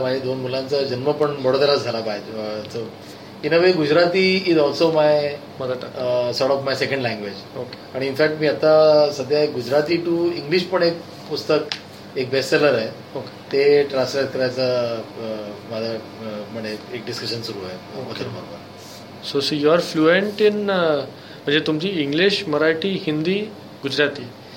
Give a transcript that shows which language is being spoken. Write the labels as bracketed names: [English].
[Marathi] माझ्या दोन मुलांचा जन्म पण बडोद्यालाच झाला पाहिजे. [English] In a way Gujarati is also my sort of my second language. [Marathi] आणि इनफॅक्ट मी आता सध्या गुजराती टू इंग्लिश पण एक पुस्तक, एक बेस्ट सेलर आहे, ते ट्रान्सलेट करायचं माझं म्हणजे एक डिस्कशन सुरू आहे. [English] so see you are fluent in, [Marathi] म्हणजे तुमची इंग्लिश, मराठी, हिंदी, गुजराती.